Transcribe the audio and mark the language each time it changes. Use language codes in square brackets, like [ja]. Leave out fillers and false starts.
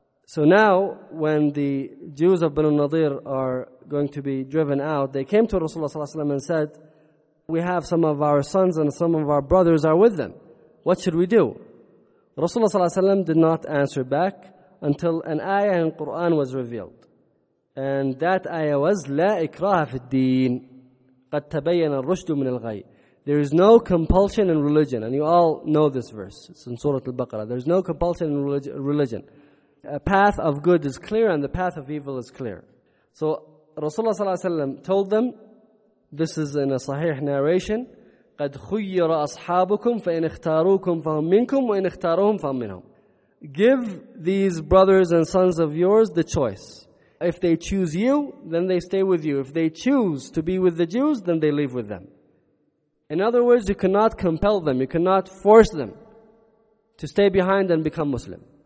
[en] So now, when the Jews of Banu Nadir are going to be driven out, they came to Rasulullah ﷺ and said, we have some of our sons and some of our brothers are with them. What should we do? Rasulullah ﷺ did not answer back until an ayah in Quran was revealed. And that ayah was [ar] لَا إِكْرَاهَ فِي الدِّينِ قَدْ تَبَيَّنَ الرُّشْدُ مِنَ الْغَيِّ. [en] There is no compulsion in religion. And you all know this verse. It's in Surah Al-Baqarah. There is no compulsion in religion. A path of good is clear and the path of evil is clear. So Rasulullah ﷺ told them, this is in a sahih narration, [ar] قَدْ خُيِّرَ أَصْحَابُكُمْ فَإِنْ اخْتَارُوكُمْ فَهُمْ مِنْكُمْ وَإِنْ اخْتَارُوهُمْ فَهُمْ مِنْهُمْ. [en] Give these brothers and sons of yours the choice. If they choose you, then they stay with you. If they choose to be with the Jews, then they leave with them. In other words, you cannot compel them. You cannot force them to stay behind and become Muslim.